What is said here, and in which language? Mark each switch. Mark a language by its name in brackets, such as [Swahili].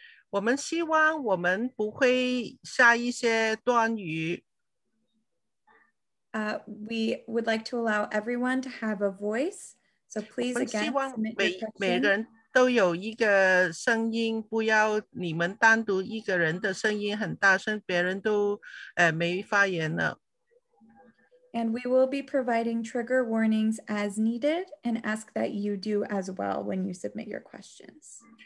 [Chinese] 我们希望我们不会下一些断语。 [English] We would like to allow everyone to have a voice. So please again submit your question. [Chinese] 不要你们单独一个人的声音很大声,别人都没发言了。And [English] we will be providing trigger warnings as needed and ask that you do as well when you submit your questions.